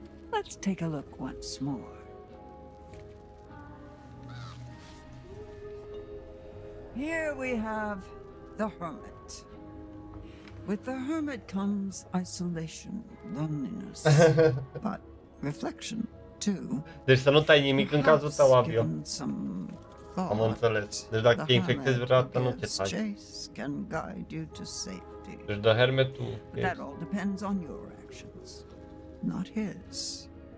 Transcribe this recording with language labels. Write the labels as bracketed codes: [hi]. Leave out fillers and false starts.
[en] Let's take a look once more. Here we have the hermit. With the hermit comes isolation, loneliness, but reflection too. [ro] Deci să nu tai nimic în cazul tău, Abio. Am înțeles. Deci dacă te infectezi vreodată, nu te tai. [en] Chase can guide you to safety. [ro] Deci dă hermetul. [en] But that all depends on your actions, not his.